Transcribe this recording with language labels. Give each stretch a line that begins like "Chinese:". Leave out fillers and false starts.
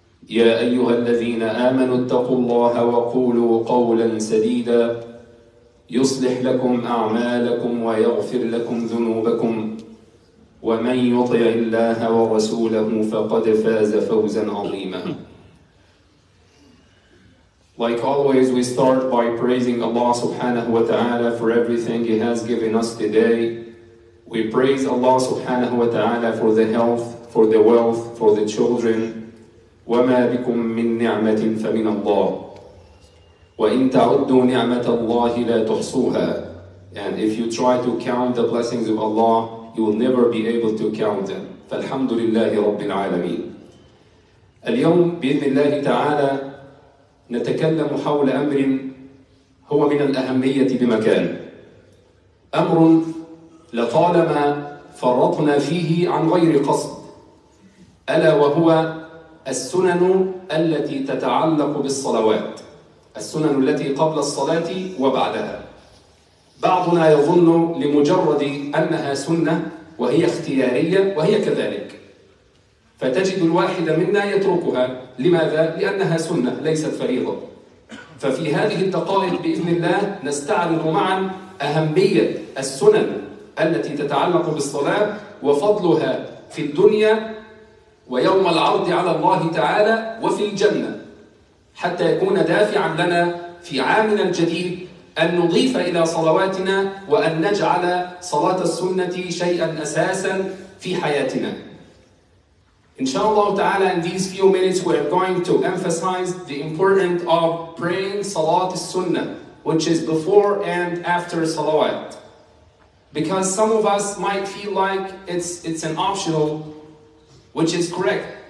Arabic: يا أيها الذين آمنوا اتقوا الله وقولوا قولًا سديدًا يصلح لكم أعمالكم ويغفر لكم ذنوبكم، ومن يطع الله ورسوله فقد فاز فوزًا عظيمًا.
English: Like always, we start by praising Allah subhanahu wa ta'ala for everything He has given us today. We praise Allah subhanahu wa ta'ala for the health, for the wealth, for the children.
Arabic: وَمَا بِكُم مِّن نِعْمَةٍ فَمِنَ اللَّهِ وَإِن تَعُدُّوا نِعْمَةَ اللَّهِ لَا تُحْصُوهَا.
English: And if you try to count the blessings of Allah, you will never be able to count them.
Arabic: فَالْحَمْدُ لِلَّهِ رَبِّ الْعَالَمِينَ. اليوم بإذن الله تعالى نتكلم حول أمر هو من الأهمية بمكان، أمر لطالما فرطنا فيه عن غير قصد، ألا وهو السنن التي تتعلق بالصلوات، السنن التي قبل الصلاة وبعدها. بعضنا يظن لمجرد أنها سنة وهي اختيارية، وهي كذلك، فتجد الواحد منا يتركها. لماذا؟ لأنها سنة ليست فريضة. ففي هذه الدقائق بإذن الله نستعرض معا أهمية السنن التي تتعلق بالصلاة وفضلها في الدنيا ويوم العرض على الله تعالى وفي الجنة، حتى يكون دافعا لنا في عامنا الجديد أن نضيف إلى صلواتنا وأن نجعل صلاة السنة شيئاً أساساً في حياتنا. إن شاء الله تعالى,
English: in these few minutes we are going to emphasize the importance of praying صلاة السنة, which is before and after salawat. Because some of us might feel like it's an optional, which is correct.